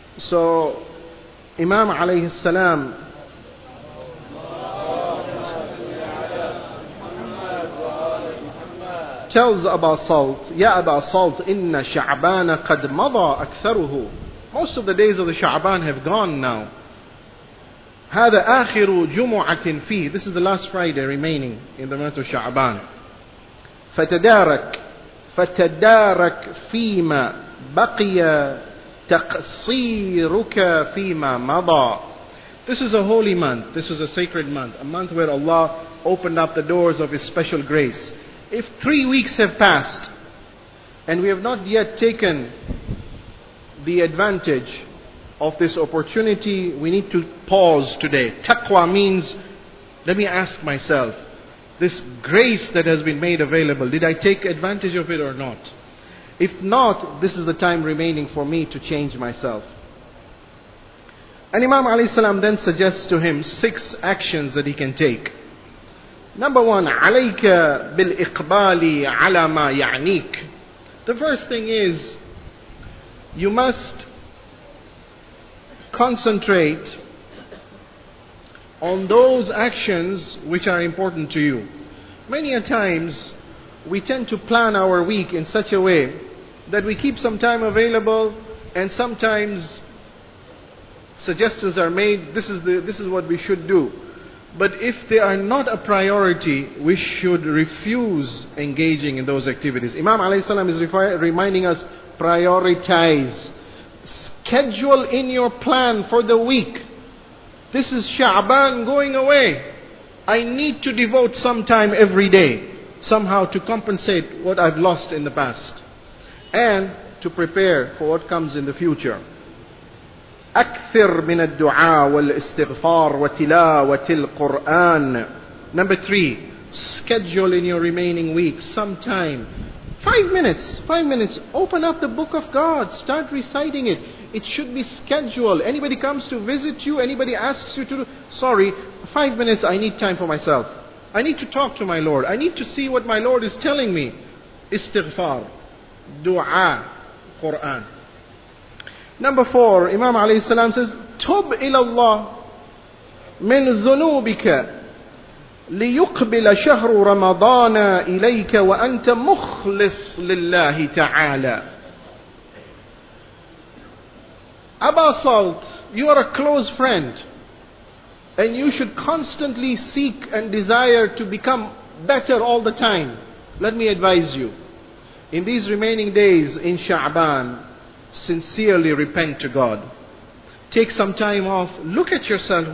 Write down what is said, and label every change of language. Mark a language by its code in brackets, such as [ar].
[en] So, Imam alayhi salam, tells Abu Salt, [ar] Ya Abu Salt, Inna Sha'ban qad mada aktharuhu. [en] Most of the days of the Sha'ban have gone now. [ar] هذا آخر جمعة فيه. [en] This is the last Friday remaining in the month of Sha'ban. [ar] فتدارك فيما بقي تقصيرك فيما مضى. [en] This is a holy month. This is a sacred month. A month where Allah opened up the doors of His special grace. If 3 weeks have passed and we have not yet taken the advantage of this opportunity, we need to pause today. Taqwa means, let me ask myself, this grace that has been made available, did I take advantage of it or not? If not, this is the time remaining for me to change myself. And Imam alayhi salam then suggests to him 6 actions that he can take. Number 1, [ar] عَلَيْكَ بِالْإِقْبَالِ عَلَى مَا يَعْنِيكَ. [en] The first thing is, you must concentrate on those actions which are important to you. Many a times, we tend to plan our week in such a way that we keep some time available, and sometimes suggestions are made, this is what we should do. But if they are not a priority, we should refuse engaging in those activities. Imam alayhi salam is reminding us, prioritize. Schedule in your plan for the week. This is Sha'ban going away. I need to devote some time every day, somehow to compensate what I've lost in the past, and to prepare for what comes in the future. [ar] أكثر من الدعاء والاستغفار وتلاوة القرآن. [en] Number 3, schedule in your remaining week some time. 5 minutes, open up the book of God, start reciting it. It should be scheduled. Anybody comes to visit you, anybody asks you to do, sorry, 5 minutes, I need time for myself. I need to talk to my Lord. I need to see what my Lord is telling me. Istighfar, dua, Quran. Number 4, Imam alayhi salam says, [ar] Tub ila Allah min zunubika. ليقبل شهر رمضان إليك وأنت مخلص لله تعالى. [en] Abu Salt, you are a close friend, and you should constantly seek and desire to become better all the time. Let me advise you, in these remaining days in Sha'ban, sincerely repent to God. Take some time off. Look at yourself.